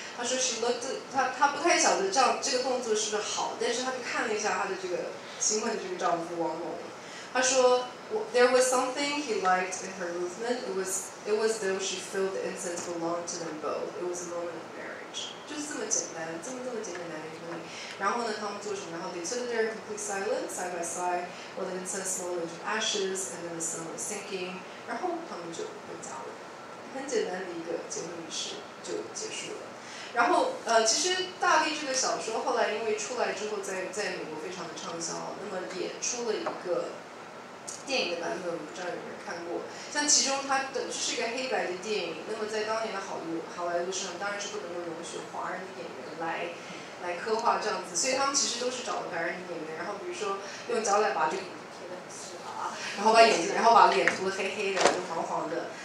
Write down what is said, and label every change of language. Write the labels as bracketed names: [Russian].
[Chinese] 他说 [English] she looked, [Chinese] 他不太晓得这样这个动作是不是好，但是他就看了一下他的这个新婚的这个丈夫王某。他说 [English] there was something he liked in her movement. It was though she felt the incense belonged to them both. It was a moment of marriage. [Chinese] 就是这么简单，这么简单的一个婚礼。然后呢，他们做什么？然后 [English] they stood there in complete silence, side by side, while the incense smoldered into ashes, and then the sun was sinking. [Chinese] 然后他们就回家了。很简单的一个结婚仪式就结束了。然后其实大力这个小说后来因为出来之后在美国非常的畅销，那么也出了一个电影的版本，我不知道有没有看过。像其中它的是一个黑白的电影，那么在当年的好莱坞上当然是不能够容许华人的演员来刻画这样子，所以他们其实都是找了白人的演员，然后比如说用胶带把这个贴的很细啊，然后把眼睛，然后把脸涂得黑黑的，就黄黄的。